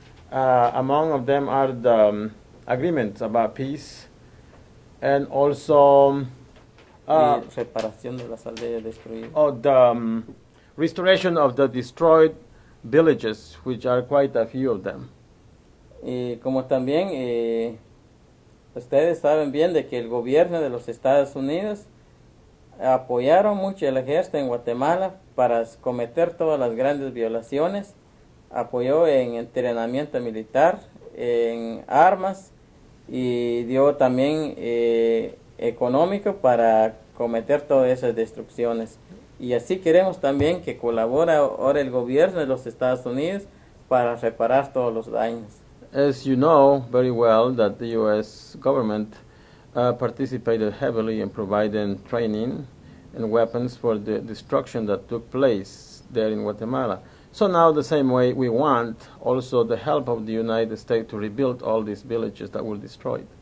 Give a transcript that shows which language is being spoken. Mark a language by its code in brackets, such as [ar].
[en] Among of them are the agreements about peace and also [es] reparación de las aldeas destruidas. [en] Oh, the restoration of the destroyed villages, which are quite a few of them. [es] Y como también ustedes saben bien de que el gobierno de los Estados Unidos apoyaron mucho el ejército en Guatemala para cometer todas las grandes violaciones. Apoyó en entrenamiento militar, en armas y dio también económico para cometer todas esas destrucciones. Y así queremos también que colabore ahora el gobierno de los Estados Unidos para reparar todos los daños. [en] As you know very well that the U.S. government participated heavily in providing training and weapons for the destruction that took place there in Guatemala. So now the same way we want also the help of the United States to rebuild all these villages that were destroyed.